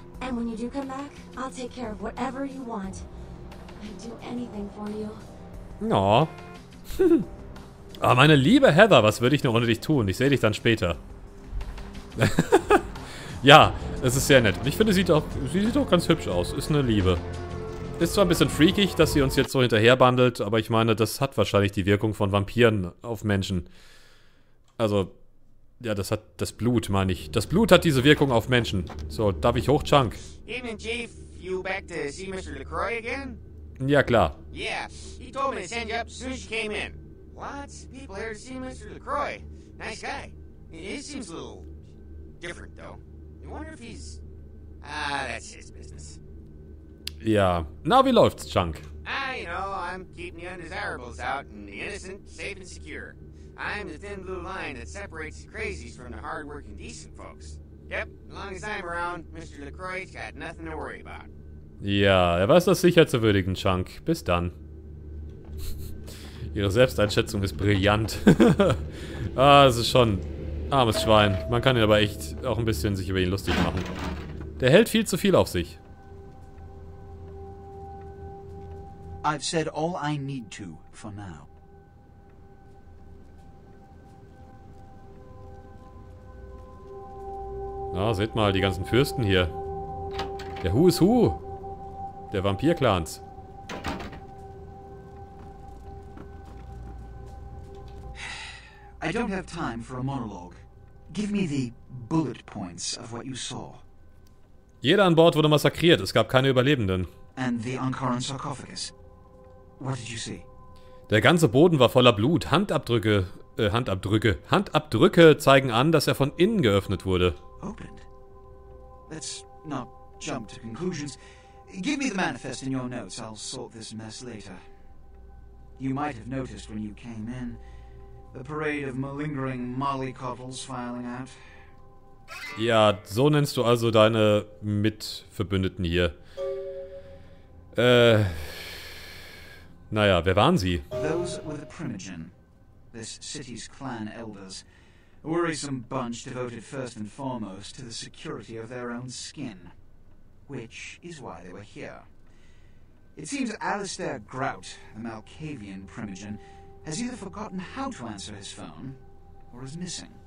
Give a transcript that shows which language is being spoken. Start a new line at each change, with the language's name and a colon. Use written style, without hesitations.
English: And when you do come back, I'll take care of whatever you want. I'd do anything for you. No.
German: Aber meine liebe Heather, was würde ich nur ohne dich tun? Ich sehe dich dann später. Ja, es ist sehr nett. Und ich finde, sie sieht auch ganz hübsch aus. Ist eine Liebe. Ist zwar ein bisschen freakig, dass sie uns jetzt so hinterherbandelt, aber ich meine, das hat wahrscheinlich die Wirkung von Vampiren auf Menschen. Also, ja, das hat das Blut, meine ich. Das Blut hat diese Wirkung auf Menschen. So, darf ich hoch, Chunk?
English: Evening, Chief. You back to see Mr. LaCroix again?
German: Ja, klar.
English: Yeah, he told me to send you up as soon as you came in. Lots of people here to see Mr. LaCroix. Nice guy. He seems a little different, though. I wonder if he's... Ah, that's his business.
German: Ja. Na, wie läuft's, Chunk?
English: Ah, you know, I'm keeping the undesirables out and the innocent safe and secure. I'm the thin blue line that separates the crazies from the hard-working decent folks. Yep, as long as I'm around, Mr. LaCroix's got nothing to worry about.
German: Ja, er weiß das sicher zu würdigen, Chunk. Bis dann. Ihre Selbsteinschätzung ist brillant. Ah, es ist schon armes Schwein. Man kann ihn aber echt auch ein bisschen sich über ihn lustig machen. Der hält viel zu viel auf sich.
English: I've said all I need to for now.
German: Na, seht mal, die ganzen Fürsten hier. Der Who is Who. Der Vampir-Clans.
English: I don't have time for a monologue. Give me the bullet points of what you saw.
German: Jeder an Bord wurde massakriert, es gab keine Überlebenden.
English: And the Ankaran sarcophagus. What did you see?
German: Der ganze Boden war voller Blut. Handabdrücke zeigen an, dass er von innen geöffnet wurde.
English: Opened. Let's not jump to conclusions. Give me the manifest in your notes. I'll sort this mess later. You might have noticed when you came in the parade of malingering mollycoddles filing out.
German: Ja, so nennst du also deine Mitverbündeten hier. Naja, wer waren sie?
English: Those were the Primogen, this city's clan elders. A worrisome bunch devoted first and foremost to the security of their own skin. Which is why they were here. It seems Alistair Grout, the Malkavian Primogen, has either forgotten how to answer his phone, or is missing.